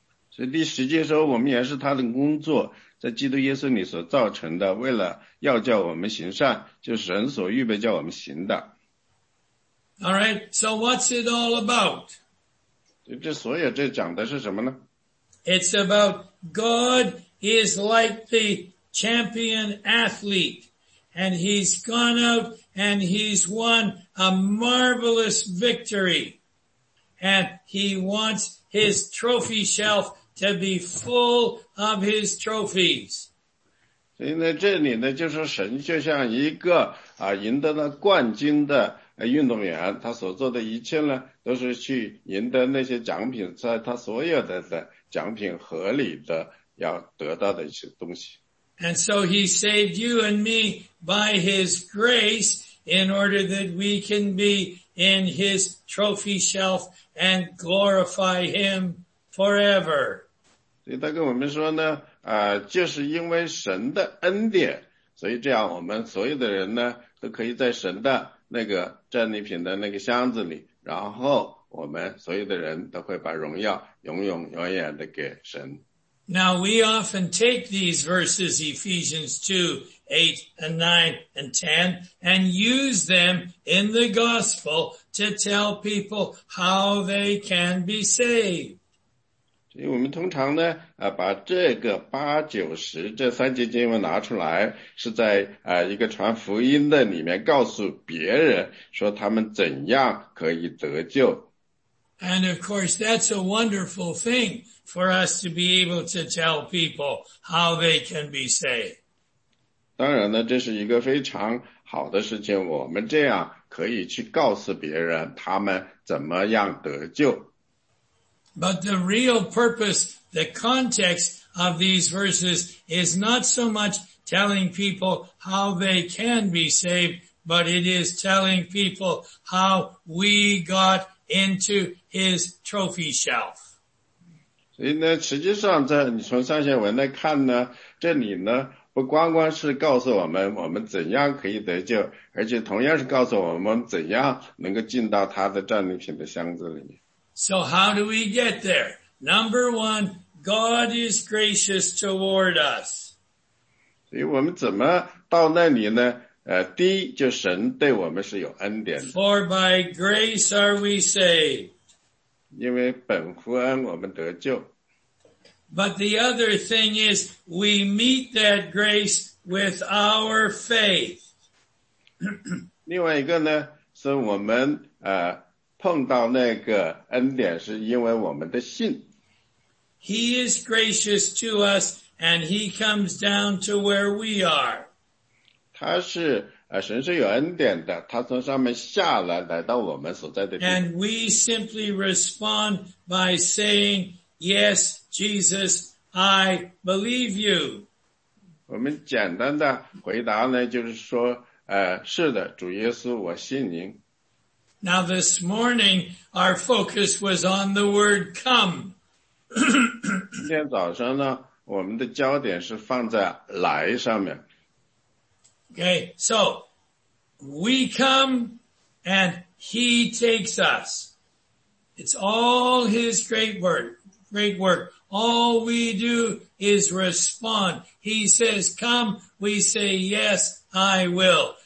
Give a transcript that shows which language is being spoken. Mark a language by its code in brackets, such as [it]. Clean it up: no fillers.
[zh] 所以第十节说，我们原是他的工作，在基督耶稣里所造成的，为了要叫我们行善，就是神所预备叫我们行的。 [en] All right, so what's it all about? [zh] 这所有这讲的是什么呢？ [en] It's about God is like the champion athlete, and he's gone out and he's won a marvelous victory. And he wants his trophy shelf to be full of his trophies. [zh] 所以呢，这里呢，就是神就像一个啊，赢得了冠军的运动员，他所做的一切呢，都是去赢得那些奖品，在他所有的奖品盒里的要得到的一些东西。 [en] And so he saved you and me by his grace in order that we can be in his trophy shelf and glorify him forever. [zh] 所以他跟我们说呢，就是因为神的恩典，所以这样我们所有的人呢，都可以在神的那个战利品的那个箱子里，然后我们所有的人都会把荣耀永永远远的给神。 [en] Now we often take these verses, Ephesians 2, 8 and 9 and 10, and use them in the gospel to tell people how they can be saved. [zh] 所以我们通常呢，把这个八九十这三节经文拿出来，是在一个传福音的里面告诉别人说他们怎样可以得救。 [en] And of course, that's a wonderful thing for us to be able to tell people how they can be saved. [zh] 当然呢，这是一个非常好的事情，我们这样可以去告诉别人他们怎么样得救。 [en] But the real purpose, the context of these verses is not so much telling people how they can be saved, but it is telling people how we got into his trophy shelf. [zh] 所以呢，实际上在你从上下文来看呢，这里呢不光光是告诉我们怎样可以得救，而且同样是告诉我们怎样能够进到他的战利品的箱子里面。 [en] So how do we get there? Number one, God is gracious toward us. [zh] 所以我们怎么到那里呢？第一，就神对我们是有恩典的。 [en] For by grace are we saved. [zh] 因为本乎恩我们得救。 [en] But the other thing is, we meet that grace with our faith. [zh] 另外一个呢，是我们碰到那个恩典是因为我们的信。 [en] He is gracious to us, and he comes down to where we are. [zh] 他是神是有恩典的，他从上面下来，来到我们所在的地方。 [en] And we simply respond by saying, "Yes, Jesus, I believe you." [zh] 我们简单的回答呢，就是说，是的，主耶稣，我信您。 [en] Now this morning, our focus was on the word come. [zh] 今天早上呢，我们的焦点是放在来上面。 [en] Okay, so, we come and he takes us. It's all his great work. All we do is respond. He says, come, we say, yes, I will.